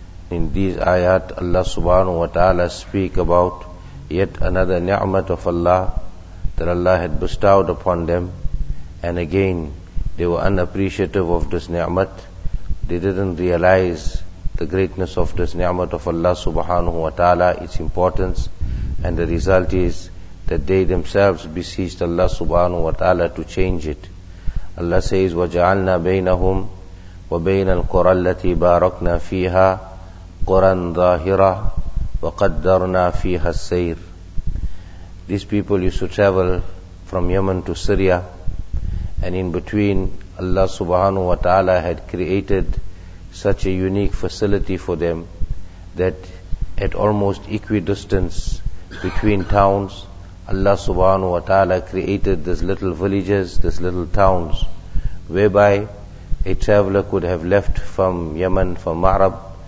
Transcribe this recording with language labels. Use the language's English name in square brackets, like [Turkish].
[English] In these ayat, Allah subhanahu wa ta'ala speak about yet another ni'mat of Allah that Allah had bestowed upon them, and again they were unappreciative of this ni'mat. They didn't realize the greatness of this ni'mat of Allah subhanahu wa ta'ala, its importance, and the result is that they themselves beseeched Allah subhanahu wa ta'ala to change it. Allah says, [Arabic] وَجَعَلْنَا بَيْنَهُمْ وَبَيْنَ الْقُرَى الَّتِي بَارَكْنَا فِيهَا قُرًا ظَاهِرَةً وَقَدَّرْنَا فِيهَا السَّيْرِ. [English] These people used to travel from Yemen to Syria, and in between Allah subhanahu wa ta'ala had created such a unique facility for them that at almost equidistance between towns, Allah subhanahu wa ta'ala created these little villages, these little towns, whereby a traveler could have left from Yemen, from Ma'rab,